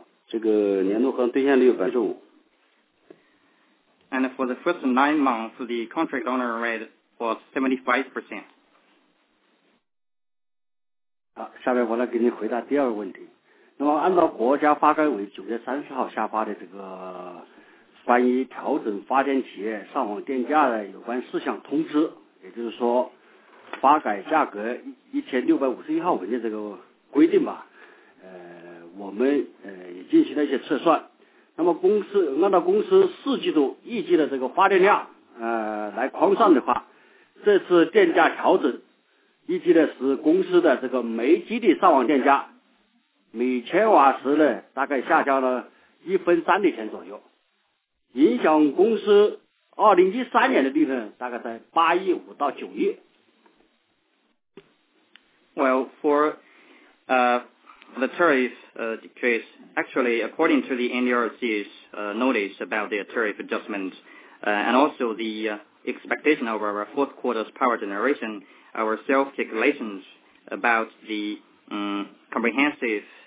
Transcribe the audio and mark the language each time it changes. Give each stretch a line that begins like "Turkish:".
Chinese: 这个年度合同兑现率95%。
English: And for the first 9 months, the contract honor rate was 75%.
Chinese: 好，下面我来给您回答第二个问题。那么按照国家发改委9月30号下发的这个关于调整发电企业上网电价的有关事项通知，也就是说发改价格1651号文件这个规定吧，我们也进行了一些测算。那么公司按照公司四季度预计的这个发电量来框算的话，这次电价调整预计的是公司的这个煤基地上网电价每千瓦时呢大概下降了1分3厘钱左右，影响公司2013年的利润大概在8.5亿到9亿。
English: Well, for the tariff decrease, actually, according to the NDRC's notice about the tariff adjustment and also the expectation of our fourth quarter's power generation, our self-calculations about the comprehensive